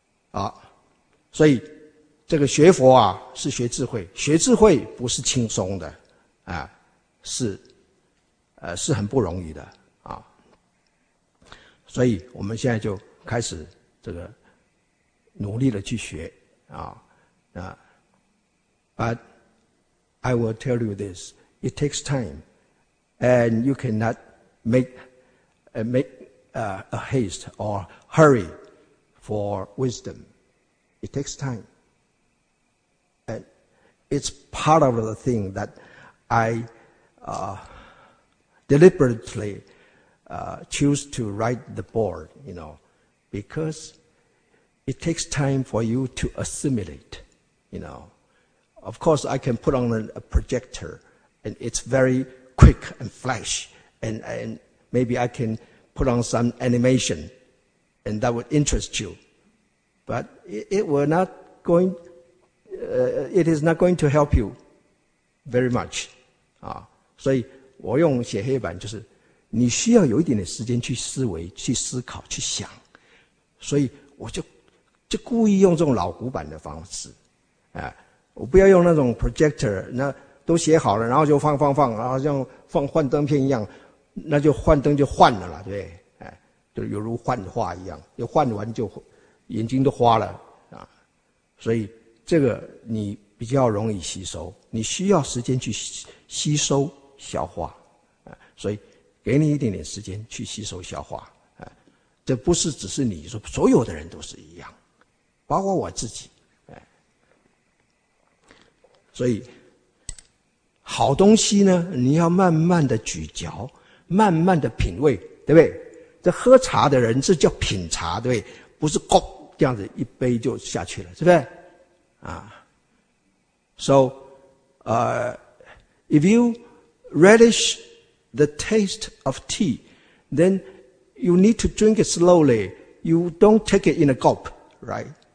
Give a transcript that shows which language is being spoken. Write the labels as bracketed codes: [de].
[zh] 啊，所以这个学佛啊，是学智慧，学智慧不是轻松的啊，是很不容易的。所以我们现在就开始这个努力的去学啊。 [en] But I will tell you this, it takes time, and you cannot make a haste or hurry for wisdom. It takes time. And it's part of the thing that I deliberately choose to write the board, you know, because it takes time for you to assimilate, you know. Of course, I can put on a projector and it's very quick and flash, and maybe I can put on some animation and that would interest you. But it is not going to help you very much. [zh] 啊，所以我用写黑板就是你需要有一点点时间去思维、去思考、去想，所以我就故意用这种老古板的方式，我不要用那种 projector， 那都写好了，然后就放，然后像放幻灯片一样，那就幻灯就幻了啦，对，就有如幻化一样，就幻完就眼睛都花了啊，所以这个你比较容易吸收，你需要时间去吸收、消化，所以。给你一点点时间去吸收消化，这不是只是你说，所有的人都是一样，包括我自己，所以好东西呢，你要慢慢的咀嚼，慢慢的品味，对不对？这喝茶的人这叫品茶，对不对？不是咕这样子一杯就下去了，是不是？ [en] So, if you relish the taste of tea, then you need to drink it slowly. You don't take it in a gulp, right?